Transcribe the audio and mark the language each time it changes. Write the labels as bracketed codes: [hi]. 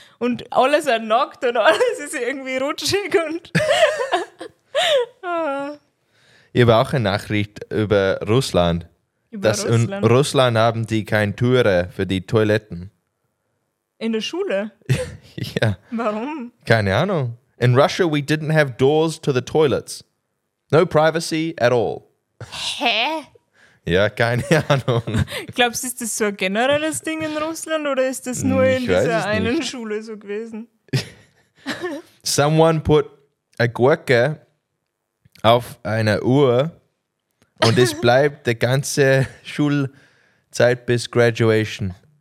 [de] Und alles ist nackt und alles ist irgendwie rutschig. Und Ich habe auch eine Nachricht über Russland. Russland? In Russland haben die keine Türe für die Toiletten. In der Schule? Ja. Warum? Keine Ahnung. [en] In Russia we didn't have doors to the toilets. No privacy at all. [de] Hä? Ja, keine Ahnung. Glaubst du, ist das so ein generelles Ding in Russland oder ist das nur in dieser einen Schule so gewesen? [en] Someone put a [de] Gurke auf eine Uhr und es bleibt die ganze Schulzeit bis Graduation.